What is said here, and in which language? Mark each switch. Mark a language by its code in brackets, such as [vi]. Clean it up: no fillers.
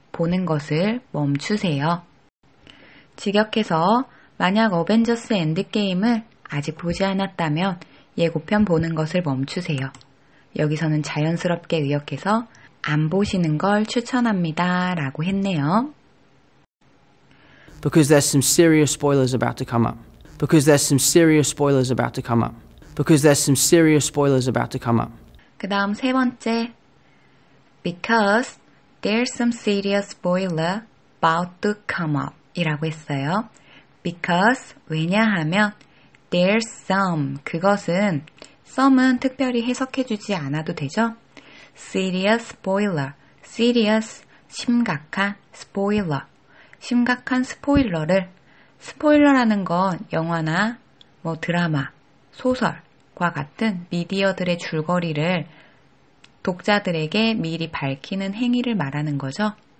[ko] 보는 것을 멈추세요. 직역해서 만약 어벤져스 엔드게임을 아직 보지 않았다면 예고편 보는 것을 멈추세요. 여기서는 자연스럽게 의역해서 안 보시는 걸 추천합니다 라고 했네요. [en] Because there's some serious spoilers about to come up. Because there's some serious spoilers about to come up. Because there's some serious spoilers about to come up. [ko] 그 다음 세 번째. [en] Because there's some serious spoiler about to come up. [ko] 이라고 했어요. [en] Because, [ko] 왜냐하면, [en] there's some. [ko] 그것은, some은 특별히 해석해주지 않아도 되죠? [en] serious spoiler. serious, 심각한 spoiler. [ko] 심각한 spoiler를, spoiler라는 건 영화나 뭐 드라마, 소설과 같은 미디어들의 줄거리를 독자들에게 미리 밝히는 행위를 말하는 거죠.